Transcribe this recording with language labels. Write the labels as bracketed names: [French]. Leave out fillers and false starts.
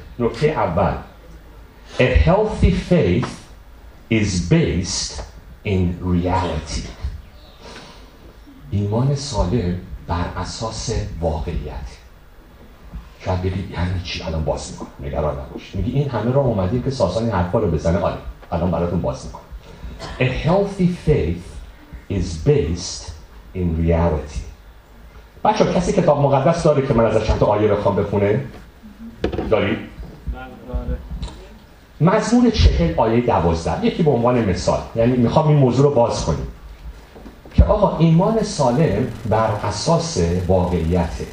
[Persian] نکته اول، [English] A healthy faith is based in reality. [Persian] ایمان سالم بر اساس واقعیت. شاید بگید یعنی چی؟ الان باز میکنم، نگران نباشید. میگی این همه را اومدیم که ساسان این حرفا رو بزنه. آره، الان براتون باز میکنم. [English] A healthy faith is based in reality. [Persian] بچه ها کسی کتاب مقدس داره که من ازش چند تا آیه بخوام بخونه؟ داری؟ مزمور 40 آیه 12، یکی به عنوان مثال، یعنی میخوام این موضوع رو باز کنیم که آقا ایمان سالم بر اساس واقعیته.